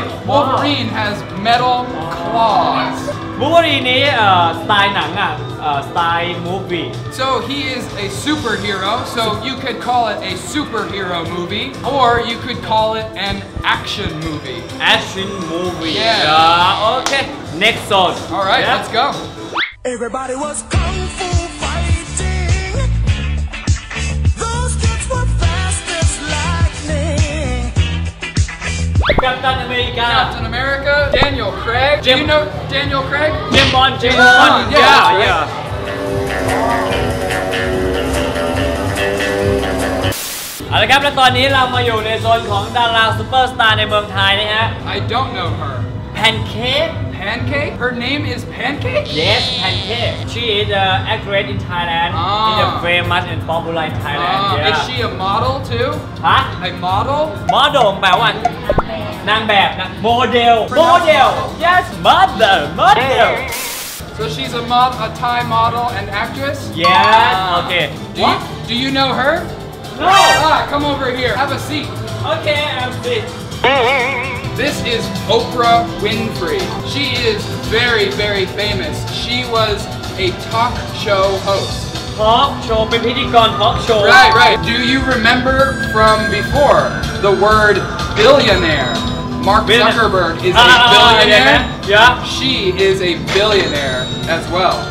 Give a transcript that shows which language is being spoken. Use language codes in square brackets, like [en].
[en] so Wolverine has metal claws [th] Wolverine นี้สไตล์หนังอ่ะ [en] style movie. So he is a superhero, so you could call it a superhero movie, or you could call it an action movie. Action movie. Yeah. Okay. Next song. All right. Yeah. Let's go. Everybody was kung fu fighting. Those kids were fast as lightning. Captain America. Captain America. Daniel Craig. Jim. Do you know Daniel Craig? Jim Bond. Yeah. [th] เอาละครับและตอนนี้เรามาอยู่ในโซนของดาราซูเปอร์สตาร์ในเมืองไทยนะฮะ [en] I don't know her Pancake Her name is Pancake Yes Pancake She is an actress in Thailand She's very much and popular in Thailand Is she a model too ฮะ A model Model [th] แปลว่านางแบบนะ [en] Model Yes Model So she's a Thai model and actress Yes Okay What do you know her No! Come over here. Have a seat. Okay, have a seat. This is Oprah Winfrey. She is very, very famous. She was a talk show host. Talk show, [th] เป็นพิธีกรทอล์คโชว์ [en] Right. Do you remember from before the word billionaire? Mark Zuckerberg is a billionaire. Yeah. She is a billionaire as well.